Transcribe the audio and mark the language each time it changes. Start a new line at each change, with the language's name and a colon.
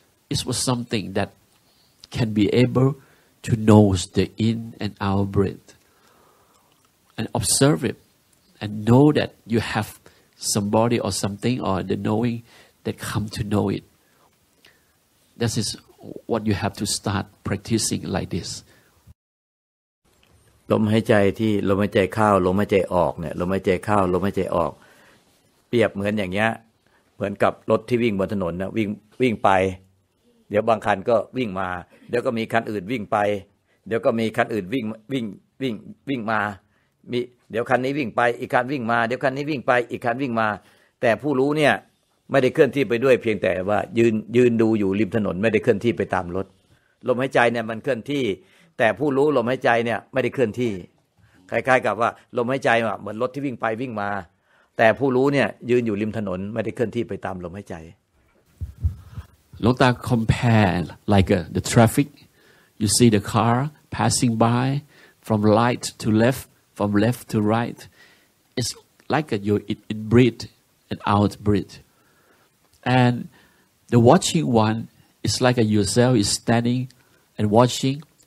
English: It was something that can be able to know the in and out breath. And observe it. And know that you have somebody or something or the knowing that come to know it. That is what you have to start practicing like this.
Thai: ลมหายใจที่ลมหายใจเข้าลมหายใจออกเนี่ยลมหายใจเข้าลมหายใจออกเปรียบเหมือนอย่างเงี้ยเหมือนกับรถที่วิ่งบนถนนนะวิ่งไปเดี๋ยวบางคันก็วิ่งมาเดี๋ยวก็มีคันอื่นวิ่งไปเดี๋ยวก็มีคันอื่นวิ่ งมามีคันนี้วิ่งไปอีกคันวิ่งมาเดี๋ยวคันนี้วิ่งไปอีกคันวิ่งมาแต่ผู้รู้เนี่ยไม่ได้เคลื่อนที่ไปด้วยเพียงแต่ว่ายืนดูอยู่ริมถนนไม่ได้เคลื่อนที่ไปตามรถลมหายใจเนี่ยมันเคลื่อนที่แต่ผู้รู้ลมหายใจเนี่ยไม่ได้เคลื่อนที่คล้ายๆกับว่าลมหายใจเหมือนรถที่วิ่งไปวิ่งมาแต่ผู้รู้เนี่ยยืนอยู่ริมถนนไม่ได้เคลื่อนที่ไปตามลมหายใจ
English: ลุงตา compare like the traffic you see the car passing by from right to left from left to right it's like you in breath and out breathAnd the watching one is like a yourself is standing and watching.